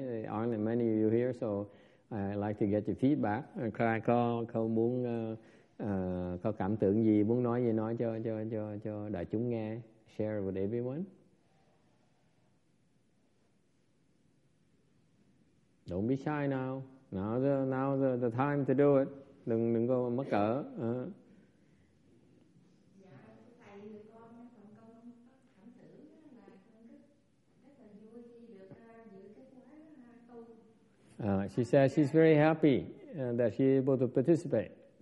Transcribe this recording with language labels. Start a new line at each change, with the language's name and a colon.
English: There aren't many of you here, so I'd like to get your feedback.
Vietnamese: Ai có muốn có cảm tưởng gì, muốn nói gì nói cho đại chúng nghe.
English: Share with everyone. Don't be shy now. Now's the time to do it.
Vietnamese: Đừng có mắc cỡ. Dạ, thầy, con cảm tưởng là con rất
English: She says she's very happy that she's able to participate.